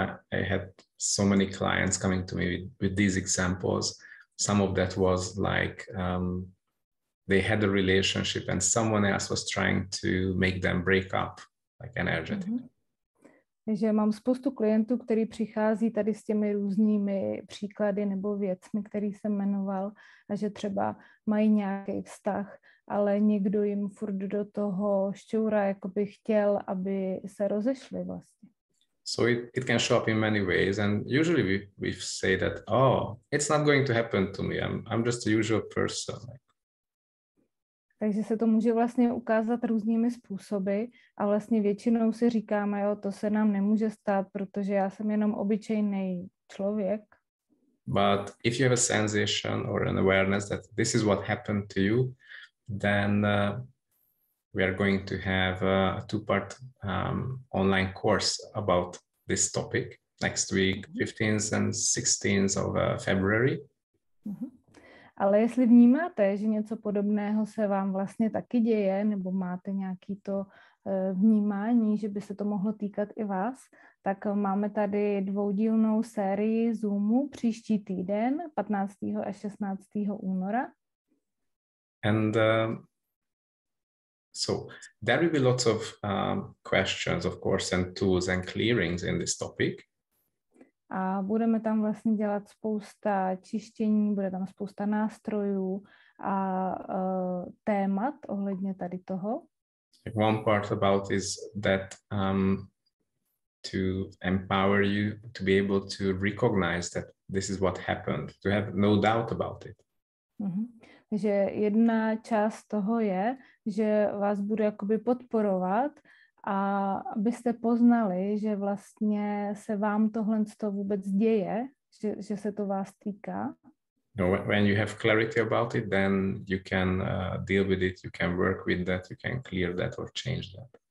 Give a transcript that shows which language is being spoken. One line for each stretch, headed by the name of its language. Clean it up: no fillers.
English: I had so many clients coming to me with these examples. Some of that was like they had a relationship and someone else was trying to make them break up, like energetically.
Czech: že mám spoustu klientů, který přichází tady s těmi různými příklady nebo věcmi, který jsem jmenoval, a že třeba mají nějaký vztah, ale někdo jim furt do toho šťoura jakoby chtěl, aby se rozešli vlastně.
English: So it can show up in many ways, and usually we say that, oh, it's not going to happen to me, I'm just a usual person.
Czech: Takže se to může vlastně ukázat různými způsoby a vlastně většinou si říkáme, jo, to se nám nemůže stát, protože já jsem jenom obyčejný člověk.
English: But if you have a sensation or an awareness that this is what happened to you, then we are going to have a two-part online course about this topic next week, 15th and 16th of February.
Czech: Ale jestli vnímáte, že něco podobného se vám vlastně taky děje, nebo máte nějaké to vnímání, že by se to mohlo týkat i vás, tak máme tady dvoudílnou sérii Zoomu příští týden, 15. a 16. února.
English: And so there will be lots of questions, of course, and tools and clearings in this topic.
Czech: A budeme tam vlastně dělat spousta čištění, bude tam spousta nástrojů a témat ohledně tady toho.
English: One part about is that to empower you to be able to recognize that this is what happened, to have no doubt about it. Mm-hmm.
Czech: Takže jedna část toho je, že vás bude jakoby podporovat, a abyste poznali, že vlastně se vám tohle to vůbec děje, že se to vás týká.
English: No, when you have clarity about it, then you can deal with it, you can work with that, you can clear that or change that.